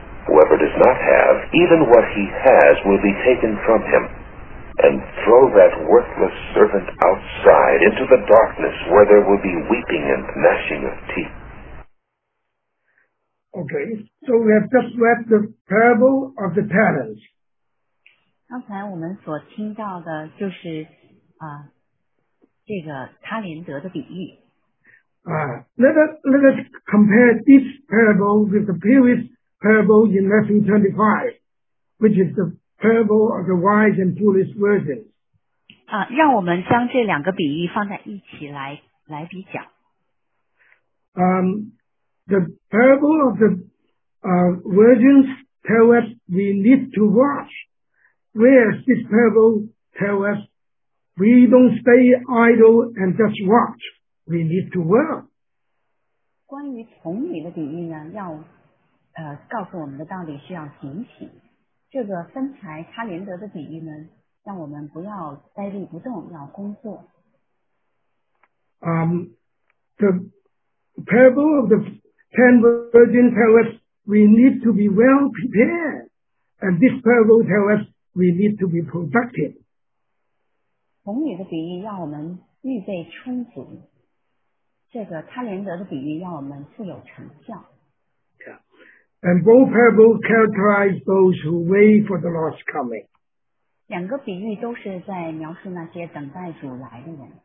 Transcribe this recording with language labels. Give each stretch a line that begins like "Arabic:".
English: Whoever does not have, even what he has will be taken from him. And throw that worthless servant outside into the darkness where there will be weeping and gnashing of teeth. Okay, so we have just read the parable of the talents.
Chinese: 刚才我们所听到的就是这个他连德的比喻。
English: Let us compare this parable with the previous parable in Matthew 25, which is the parable of the wise and foolish virgins.
Chinese: 让我们将这两个比喻放在一起来比较。
English: the parable of the virgins tell us we need to watch. Whereas this parable tell us we don't stay idle and just watch. We need to work.
Chinese: 关于从你的比喻呢，要告诉我们的道理是要警醒。这个分财他连德的比喻呢，让我们不要呆立不动，要工作。
English: The parable of the ten virgins tell us we need to be well prepared, and this parable tell us we need to be productive.
Chinese: 从你的比喻让我们预备充足。这个他连德的比喻让我们富有成效。
English: Yeah. And both parables characterize those who wait for the Lord's coming.
Chinese: 两个比喻都是在描述那些等待主来的人。